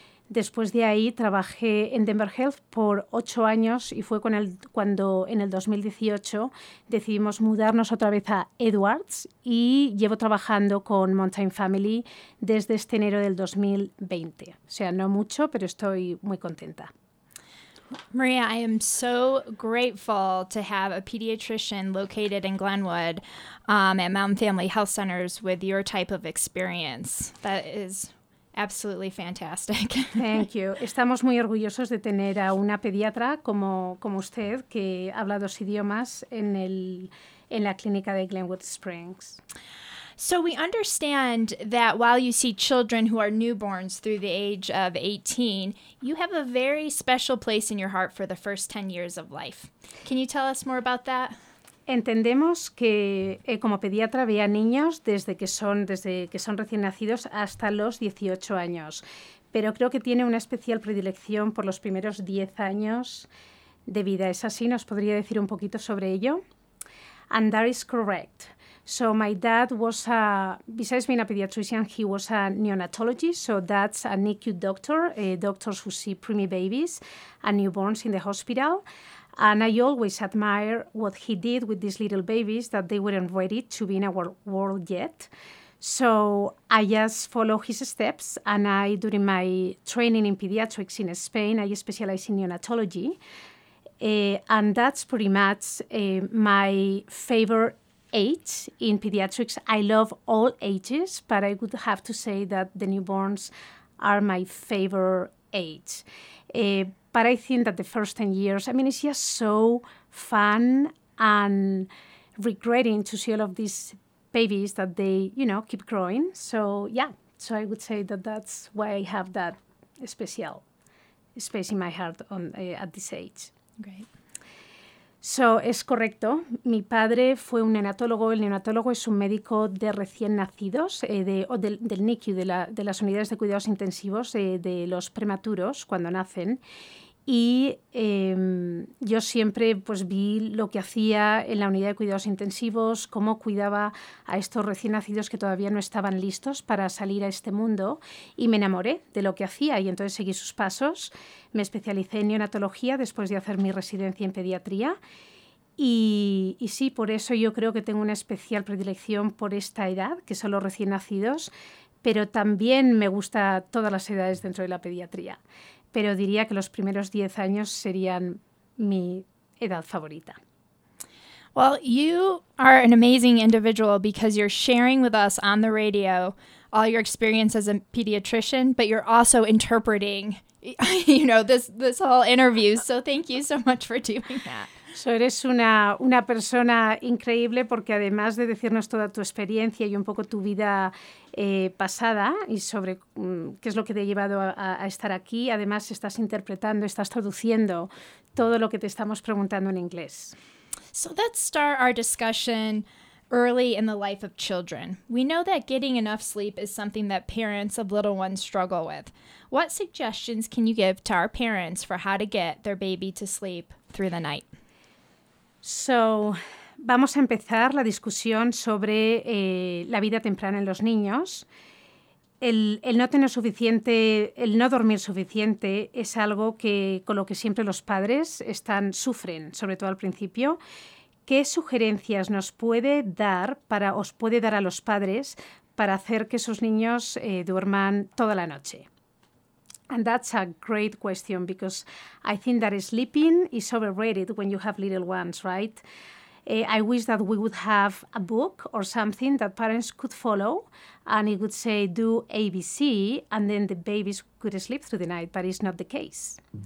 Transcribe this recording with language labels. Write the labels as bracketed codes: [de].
[es] Después de ahí trabajé en Denver Health por 8 años y fue cuando en el 2018 decidimos mudarnos otra vez a Edwards, y llevo trabajando con Mountain Family desde este enero del 2020. O sea, no mucho, pero estoy muy contenta. [en] Maria, I am so grateful to have a pediatrician located in Glenwood at Mountain Family Health Centers with your type of experience. That is absolutely fantastic. Thank you. [es] Estamos muy orgullosos de tener a una pediatra como usted, que habla dos idiomas, en la clínica de Glenwood Springs. [en] So we understand that while you see children who are newborns through the age of 18, you have a very special place in your heart for the first 10 years of life. Can you tell us more about that? [es] Entendemos que como pediatra ve a niños desde que son recién nacidos hasta los 18 años, pero creo que tiene una especial predilección por los primeros 10 años de vida. ¿Es así? ¿Nos podría decir un poquito sobre ello? [en] And that is correct. So my dad was besides being a pediatrician, he was a neonatologist. So that's a NICU doctor, doctors who see preemie babies and newborns in the hospital. And I always admire what he did with these little babies, that they weren't ready to be in our world yet. So I just follow his steps. And I, during my training in pediatrics in Spain, I specialize in neonatology. And that's pretty much my favorite age in pediatrics. I love all ages, but I would have to say that the newborns are my favorite age. But I think that the first 10 years, I mean, it's just so fun and regretting to see all of these babies that they, you know, keep growing. So, yeah, so I would say that that's why I have that special space in my heart at this age. Great. [es] So, es correcto. Mi padre fue un neonatólogo. El neonatólogo es un médico de recién nacidos, del NICU, de las unidades de cuidados intensivos, de los prematuros cuando nacen. Y yo siempre pues vi lo que hacía en la unidad de cuidados intensivos, cómo cuidaba a estos recién nacidos que todavía no estaban listos para salir a este mundo, y me enamoré de lo que hacía y entonces seguí sus pasos. Me especialicé en neonatología después de hacer mi residencia en pediatría y sí, por eso yo creo que tengo una especial predilección por esta edad, que son los recién nacidos, pero también me gusta todas las edades dentro de la pediatría. Pero diría que los primeros 10 años serían mi edad favorita. [en] Well, you are an amazing individual because you're sharing with us on the radio all your experience as a pediatrician, but you're also interpreting, you know, this whole interview. So thank you so much for doing that. [es] So eres una persona increíble porque además de decirnos toda tu experiencia y un poco tu vida pasada y sobre qué es lo que te ha llevado a estar aquí, además estás interpretando, estás traduciendo todo lo que te estamos preguntando en inglés. [en] So let's start our discussion early in the life of children. We know that getting enough sleep is something that parents of little ones struggle with. What suggestions can you give to our parents for how to get their baby to sleep through the night? [es] So, vamos a empezar la discusión sobre la vida temprana en los niños. El no tener suficiente, el no dormir suficiente, es algo que con lo que siempre los padres sufren, sobre todo al principio. ¿Qué sugerencias nos puede dar os puede dar a los padres para hacer que sus niños duerman toda la noche? [en] And that's a great question because I think that sleeping is overrated when you have little ones, right? I wish that we would have a book or something that parents could follow, and it would say do ABC, and then the babies could sleep through the night, but it's not the case.